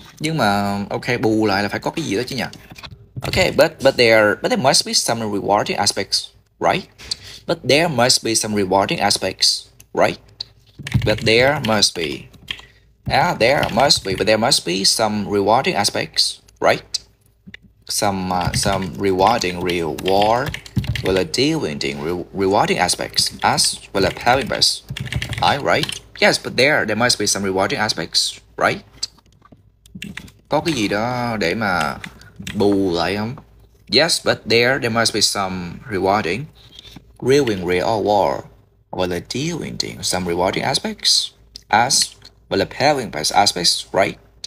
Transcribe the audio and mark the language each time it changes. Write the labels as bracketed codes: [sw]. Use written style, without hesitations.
[vi] Nhưng mà okay, bù lại là phải có cái gì đó chứ nhỉ? [en] Okay, but there must be some rewarding aspects, right? [vi] Có cái gì đó để mà bù lại không? [en] Yes, but there must be some rewarding, rewarding reward, well, rewarding some rewarding aspects, as well, appealing aspects, right?